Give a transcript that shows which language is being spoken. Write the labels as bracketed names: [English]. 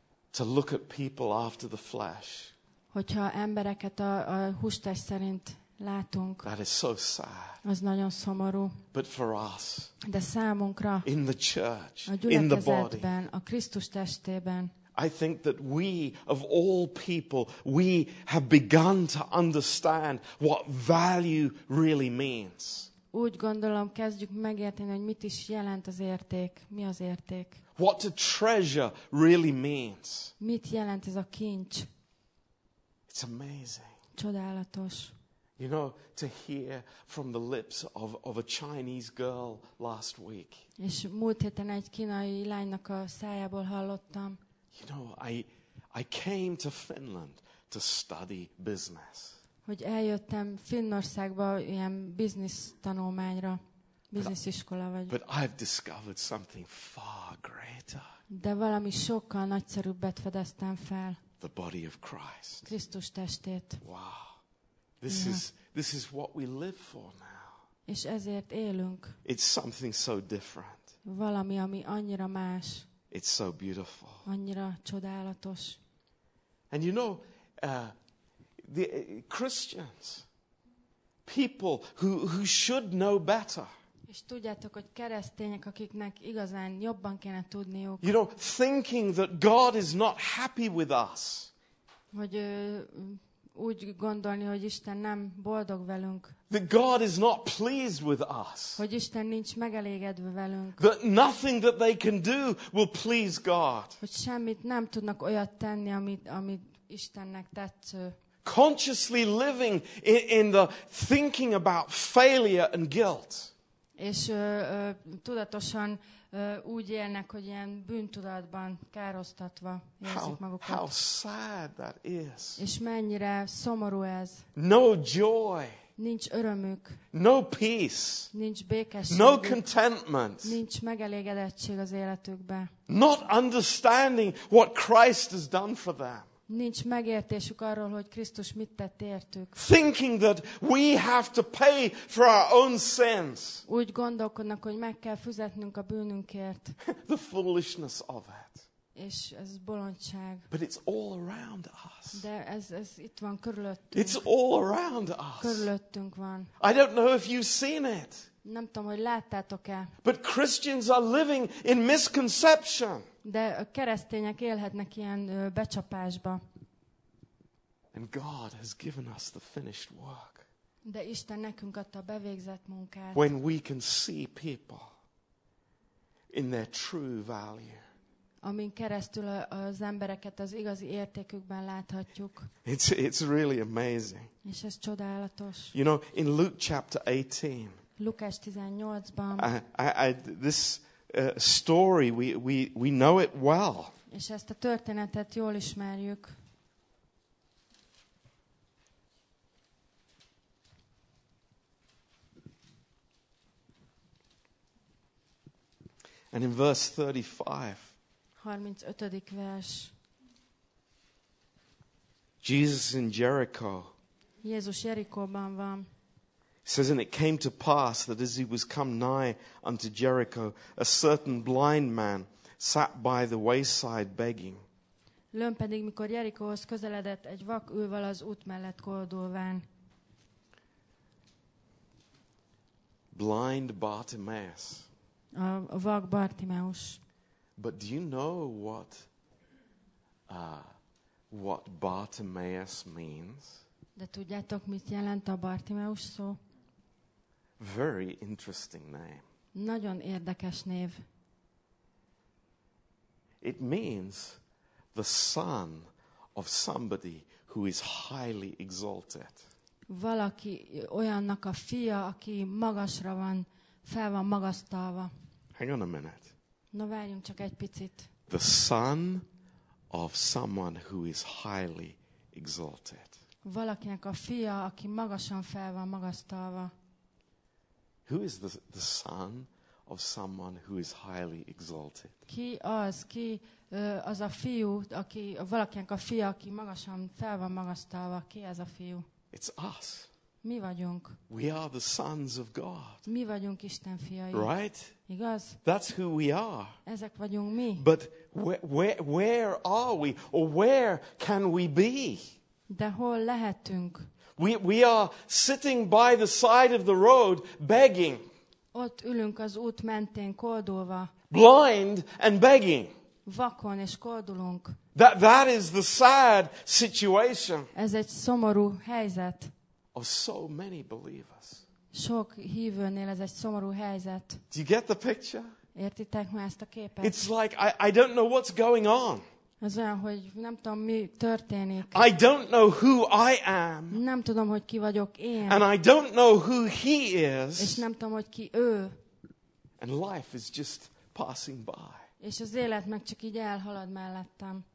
[English] To look at people after the flesh. [Hungarian] Hogyha embereket a hústest szerint látunk. [English] That is so sad. [Hungarian] Az nagyon szomorú. [English] But for us, [Hungarian] de számunkra, [English] in the church, [Hungarian] a gyülekezetben, a Krisztus testében, [English] I think that we, of all people, we have begun to understand what value really means. [Hungarian] Úgy gondolom, kezdjük megérteni, hogy mit is jelent az érték, mi az érték. [English] What a treasure really means. [Hungarian] Mit jelent ez a kincs? [English] It's amazing. [Hungarian] Csodálatos. [English] You know, to hear from the lips of a Chinese girl last week. [Hungarian] És múlt héten egy kínai lánynak a szájából hallottam. [English] You know, I came to Finland to study business. [Hungarian] Hogy eljöttem Finnországba ilyen business tanulmányra, business iskola vagy. [English] But I've discovered something far greater. [Hungarian] De valami sokkal nagyszerűbbet fedeztem fel. [English] The body of Christ. [Hungarian] Krisztus testét. [English] Wow. This is what we live for now. [Hungarian] És ezért élünk. [English] It's something so different. [Hungarian] Valami, ami annyira más. [English] It's so beautiful. [Hungarian] Annyira csodálatos. [English] And you know, the Christians, people who should know better. [Hungarian] És tudjátok, hogy keresztények, akiknek igazán jobban kéne tudniuk. [English] You know, thinking that God is not happy with us. [Hungarian] Hogy úgy gondolni, hogy Isten nem boldog velünk. [English] That God is not pleased with us. [Hungarian] Hogy Isten nincs megelégedve velünk. [English] That nothing that they can do will please God. [Hungarian] Hogy semmit nem tudnak olyat tenni, amit Istennek tetsző. [English] Consciously living in the thinking about failure and guilt. [Hungarian] És tudatosan úgy élnek, hogy ilyen bűntudatban károsztatva érzik magukat. [English] How sad that is. [Hungarian] És mennyire szomorú ez. [English] No joy. [Hungarian] Nincs örömük. [English] No peace. [Hungarian] Nincs békesség. [English] No contentment. [Hungarian] Nincs megelégedettség az életükben. [English] Not understanding what Christ has done for them. [Hungarian] Nincs megértésük arról, hogy Krisztus mit tett értük. [English] Thinking that we have to pay for our own sins. [Hungarian] Úgy gondolkodnak, hogy meg kell fizetnünk a bűnünkért. [English] The foolishness of it. [Hungarian] És ez bolondság. [English] But it's all around us. [Hungarian] De ez itt van körülöttünk. [English] It's all around us. [Hungarian] Körülöttünk van. [English] I don't know if you've seen it. [Hungarian] Nem tudom, hogy láttátok-e. [English] But Christians are living in misconception. [Hungarian] De a keresztények élhetnek ilyen becsapásba. [English] And God has given us the finished work. [Hungarian] De Isten nekünk adta a bevégzett munkát. [English] When we can see people in their true value. [Hungarian] Amin keresztül az embereket az igazi értékükben láthatjuk. [English] It's really amazing. [Hungarian] És ez csodálatos. [English] You know, in Luke chapter 18. [Hungarian] Lukás 18-ban. [English] This story we know it well. [Hungarian] És ezt a történetet jól ismerjük. [English] And in verse 35. [Hungarian] 35. vers. [English] Jesus in Jericho. [Hungarian] Jézus Jerikóban van. [English] Says, and it came to pass that as he was come nigh unto Jericho, a certain blind man sat by the wayside begging. [Hungarian] Lőn pedig, mikor Jerikóhoz közeledett, egy vak ülval az út mellett koldulván. [English] Blind Bartimaeus. [Hungarian] A vak Bartimaeus. [English] But do you know what Bartimaeus means? [Hungarian] De tudjátok, mit jelent a Bartimaeus szó? [English] Very interesting name. [Hungarian] Nagyon érdekes név. [English] It means the son of somebody who is highly exalted. [Hungarian] Valaki olyannak a fia, aki magasra van, fel van magasztalva. [English] Hang on a minute. [Hungarian] Na, várjunk csak egy picit. [English] The son of someone who is highly exalted. [Hungarian] Valakinek a fia, aki magasan fel van magasztalva. [English] Who is the son of someone who is highly exalted? [Hungarian] Ki az? Ki az a fiú, aki valakinek a fia, aki magasan fel van magasztalva? Ki ez a fiú? [English] It's us. [Hungarian] Mi vagyunk. [English] We are the sons of God. [Hungarian] Mi vagyunk Isten fiai. [English] Right? [Hungarian] Igaz? [English] That's who we are. [Hungarian] Ezek vagyunk mi. [English] But where are we? Or where can we be? [Hungarian] De hol lehetünk? [English] We are sitting by the side of the road begging. [Hungarian] Ott ülünk az út mentén koldulva. [English] Blind and begging. [Hungarian] Vakon és koldulunk. [English] That is the sad situation. [Hungarian] Ez egy szomorú helyzet. [English] Of so many believers. [Hungarian] Sok hívőnél ez egy szomorú helyzet. [English] Do you get the picture? [Hungarian] Értitek már ezt a képet? [English] It's like I don't know what's going on. [Hungarian] Ez olyan, hogy nem tudom, mi történik. [English] I don't know who I am. [Hungarian] Nem tudom, hogy ki vagyok én. [English] And I don't know who he is. [Hungarian] És nem tudom, hogy ki ő. [English] And life is just passing by. [Hungarian] És az élet meg csak így elhalad mellettem.